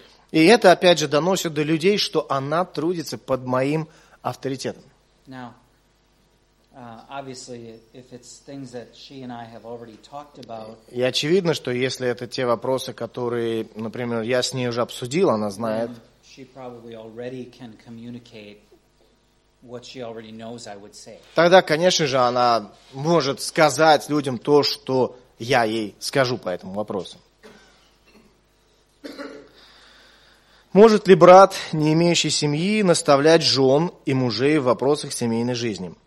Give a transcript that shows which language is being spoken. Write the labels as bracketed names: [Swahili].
[Russian] И это, опять же, доносит до людей, что она трудится под моим авторитетом. [English] Now, obviously, if it's things that she and I have already talked about, [Russian] и очевидно, что если это те вопросы, которые, например, я с ней уже обсудил, она знает, [English] she probably already can communicate what she already knows, I would say. [Russian] Тогда, конечно же, она может сказать людям то, что я ей скажу по этому вопросу. Может ли брат, не имеющий семьи, наставлять жен и мужей в вопросах семейной жизни?